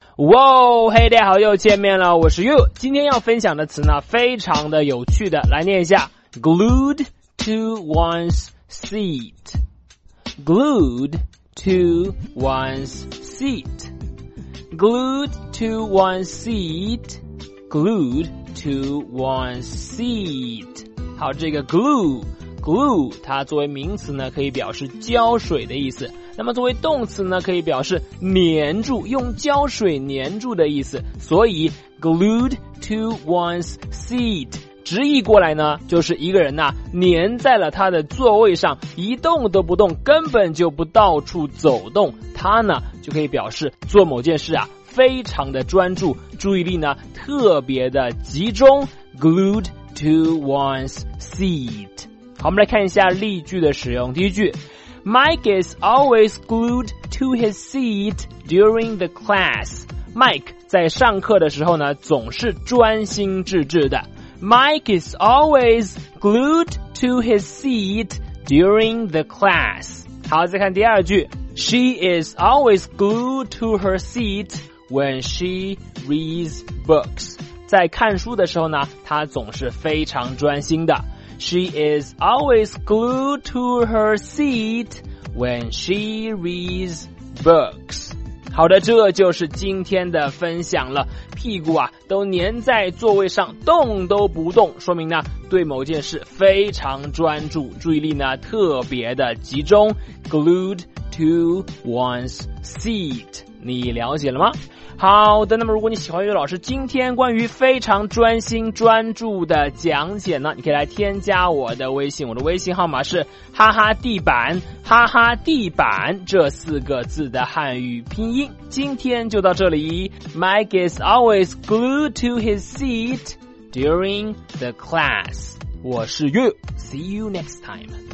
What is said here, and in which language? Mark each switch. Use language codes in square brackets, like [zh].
[zh] 哇哦，嘿，大家好，又见面了，我是 You。今天要分享的词呢，非常的有趣的，来念一下 ：glued to one's seat， glued to one's seat， glued to one's seat， glued to one's seat。好，这个 glue 它作为名词呢，可以表示胶水的意思。那么作为动词呢，可以表示黏住，用胶水黏住的意思。所以 glued to one's seat 直译过来呢，就是一个人呢黏在了他的座位上，一动都不动，根本就不到处走动。他呢就可以表示做某件事啊非常的专注，注意力呢特别的集中， glued to one's seat。好，我们来看一下例句的使用。第一句， [en] Mike is always glued to his seat during the class. [zh] Mike 在上课的时候呢，总是专心致志的。 [en] Mike is always glued to his seat during the class. [zh] 好，再看第二句。 [en] She is always glued to her seat when she reads books. [zh] 在看书的时候呢，她总是非常专心的。 [en] She is always glued to her seat when she reads books. [zh] 好的，这就是今天的分享了。屁股啊，都黏在座位上，动都不动，说明呢，对某件事非常专注，注意力呢，特别的集中。 [en] Glued to one's seat. [zh] 你了解了吗？好的，那么如果你喜欢岳老师今天关于非常专心专注的讲解呢，你可以来添加我的微信，我的微信号码是哈哈地板，哈哈地板这四个字的汉语拼音。今天就到这里， [en] Mike is always glued to his seat during the class. [zh] 我是岳， [en] See you next time.